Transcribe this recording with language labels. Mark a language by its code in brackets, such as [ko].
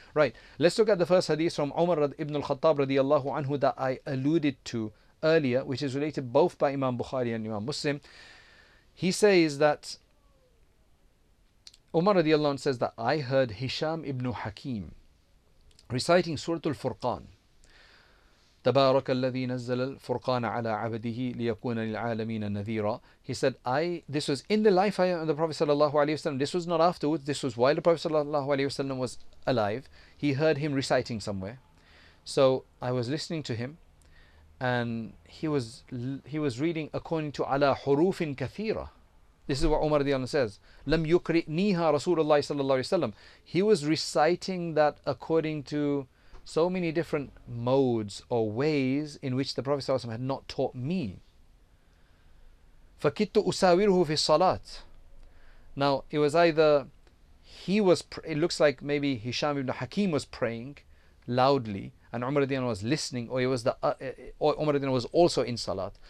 [en] Right, let's look at the first hadith from Umar ibn al-Khattab radiallahu anhu that I alluded to earlier, which is related both by Imam Bukhari and Imam Muslim. He says that, Umar radiallahu anhu says that I heard Hisham ibn Hakim reciting Suratul Furqan. [ar] تبارك الذي نزل الفرقان على عبده ليكون للعالمين نذيرا. [en] He said, this was in the lifetime of the Prophet sallallahu alaihi wasallam. This was not afterwards. This was while the Prophet sallallahu alaihi wasallam was alive. He heard him reciting somewhere. So I was listening to him, and he was reading according to [ar] على حروف كثيرة. [en] This is what Umar رضي الله عنه says. [ar] لم يقرئنيها رسول الله صلى الله عليه وسلم. [en] He was reciting that according to so many different modes or ways in which the Prophet ﷺ had not taught me. [ar] فَكِدْتُ أُسَاوِرُهُ فِي الصَّلَاةِ. [en] Now, it was either he was, it looks like maybe Hisham ibn Hakim was praying loudly and Umar ibn was listening, or it was Umar ibn was also in Salat.